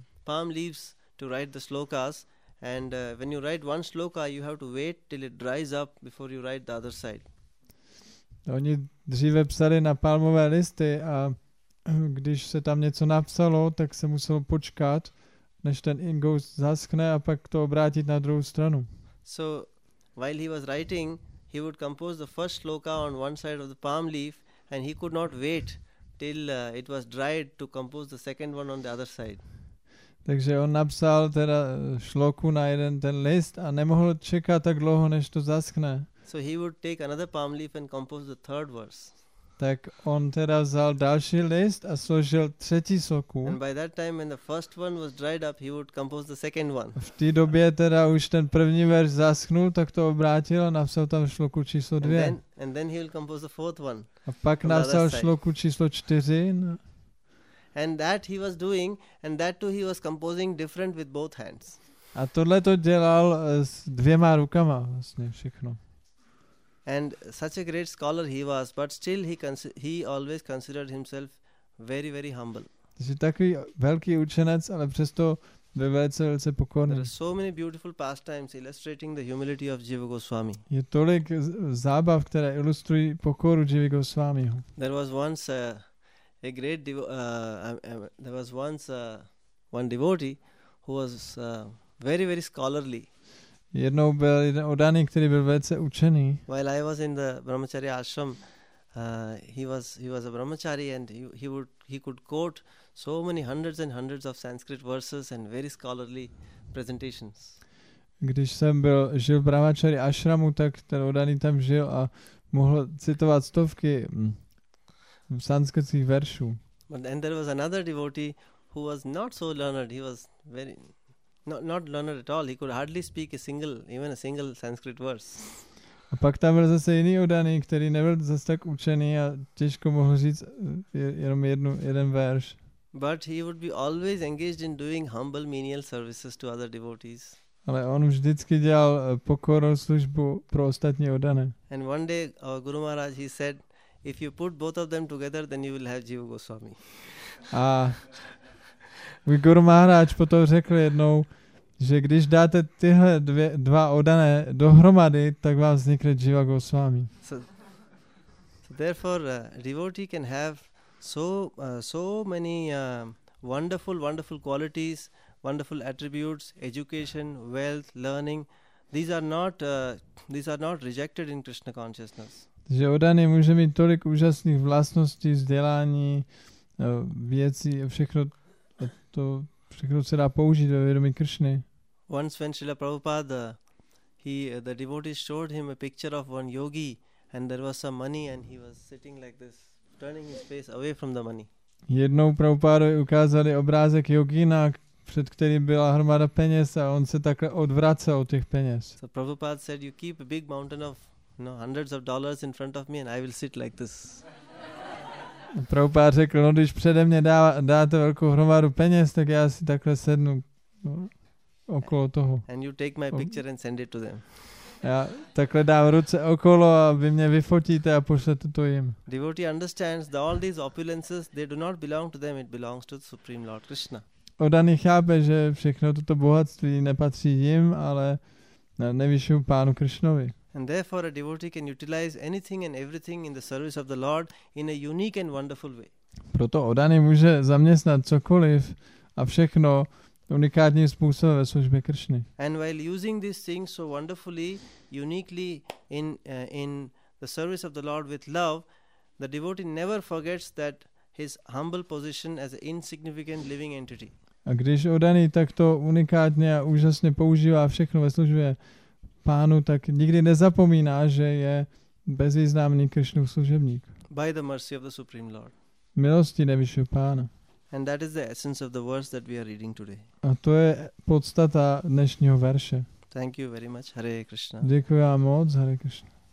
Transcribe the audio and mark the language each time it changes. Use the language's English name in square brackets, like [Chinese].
[English] Palm leaves to write the slokas, and when you write one sloka you have to wait till it dries up before you write the other side. [Czech] Oni dříve psali na palmové listy a když se tam něco napsalo, tak se muselo počkat, než ten ingoust zaschne a pak to obrátit na druhou stranu. [English] So while he was writing, he would compose the first sloka on one side of the palm leaf and he could not wait till it was dried to compose the second one on the other side. [Czech] Takže on napsal teda šloku na jeden ten list a nemohl čekat tak dlouho, než to zaschne. [English] So he would take another palm leaf and compose the third verse. [Czech] Tak on teda vzal další list a složil třetí sloku. [English] And by that time when the first one was dried up, he would compose the second one. [Czech] V té době teda už ten první verš zaschnul, tak to obrátil a napsal tam šloku číslo 2. [English] And then he will compose the fourth one. [Czech] A pak napsal šloku číslo 4. No. [English] And that he was doing, and that too he was composing different with both hands. [Czech] A tohle to dělal s dvěma rukama vlastně všechno. [English] And such a great scholar he was, but still he always considered himself very, very humble. [Czech] Takže takový velký učenec, ale přesto byl velice, velice pokorný. [English] There are so many beautiful pastimes illustrating the humility of Jiva Goswami. [Czech] Je tolik zábav, které ilustrují pokoru Jivy Goswamiho. [English] There was once one devotee who was very, very scholarly. [Czech] Jednou byl jeden odaný, který byl velice učený. [English] While I was in the brahmacharya ashram, he was a brahmachari and he could quote so many hundreds and hundreds of Sanskrit verses and very scholarly presentations. [Czech] Když jsem byl žil v brahmacharya ashramu, tak ten odaný tam žil a mohl citovat stovky sanskritských veršů. [English] But then there was another devotee who was not so learned. He was very not learned at all. He could hardly speak even a single Sanskrit verse. [Czech] A pak tam byl zase jiný udaný, který nebyl zase tak učený a těžko mohl říct jenom jeden verš. [English] But he would be always engaged in doing humble menial services to other devotees. [Czech] Ale on vždycky dělal pokorou službu pro ostatní udané. [English] And one day our Guru Maharaj, he said, if you put both of them together, then you will have Jiva Goswami. [Czech] A můj Guru Maharaj potom řekl jednou, že když dáte tyhle dva odané dohromady, tak vám vznikne Jiva Goswami. [English] So therefore, a devotee can have so many wonderful qualities, wonderful attributes, education, wealth, learning. These are not rejected in Krishna consciousness. [Czech] Že odaný může mít tolik úžasných vlastností, vzdělání, věcí a všechno. To všechno se dá použít ve vědomí Kršny. [English] Once when Srila Prabhupada, the devotee showed him a picture of one yogi and there was some money and he was sitting like this, turning his face away from the money. [Czech] Jednou Prabhupada ukázali obrázek yogina, před kterým byla hromada peněz a on se takhle odvracel od těch peněz. [English] So Prabhupada said, you keep a big mountain of hundreds of dollars in front of me and I will sit like this. [Czech] Prabhupada řekl, no když přede mě dáte velkou hromadu peněz, tak já si takhle sednu okolo toho. [English] And you take my picture and send it to them. [Czech] Já takhle dám ruce okolo a vy mě vyfotíte a pošlete to jim. [English] Devotee understands that all these opulences, they do not belong to them, it belongs to the Supreme Lord Krishna. [Czech] Odaný chápe, že všechno toto bohatství nepatří jim, ale nejvyššímu pánu Krišnovi. [English] And therefore a devotee can utilize anything and everything in the service of the Lord in a unique and wonderful way. [Czech] Proto odaný může zaměstnat cokoliv a všechno unikátním způsobem ve službě Krišny. [English] And while using these things so wonderfully, uniquely in the service of the Lord with love, the devotee never forgets that his humble position as an insignificant living entity. [Czech] A když odaný takto unikátně a úžasně používá všechno ve službě pánu, tak nikdy nezapomíná, že je bezvýznamný Krišnův služebník. [English] By the mercy of the Supreme Lord. [Czech] Milosti nejvyššího pána. [English] And that is the essence of the verse that we are reading today. [Czech] A to je podstata dnešního verše. [English] Thank you very much, Hare Krishna. [Czech] Děkuji vám moc, Hare Krishna.